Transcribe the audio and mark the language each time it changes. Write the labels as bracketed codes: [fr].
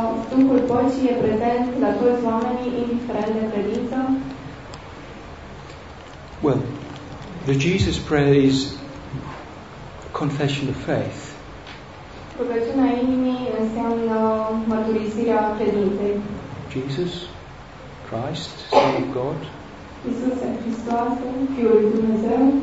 [ro] Duhul Păcii e prezent la toți oamenii, indiferent de credință. [en] Well, the Jesus prayer is confession of faith. [ro] Rugăciunea inimii înseamnă mărturisirea credinței. [en] Jesus, Christ, Son of God. [ro] Iisus Hristos, Fiul lui Dumnezeu.